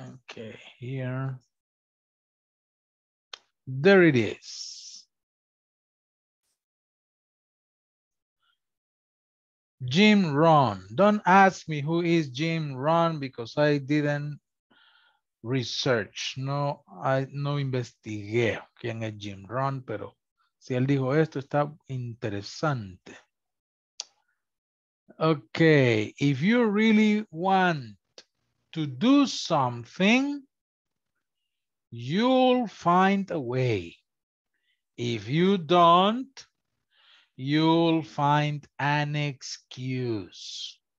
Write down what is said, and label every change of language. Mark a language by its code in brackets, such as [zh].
[en] Okay, here. There it is. Jim Rohn. Don't ask me who is Jim Rohn because I didn't research. [es] No, I no investigué quién es Jim Rohn, pero si él dijo esto, está interesante. [en] Okay, if you really want to do something, you'll find a way. If you don't, you'll find an excuse.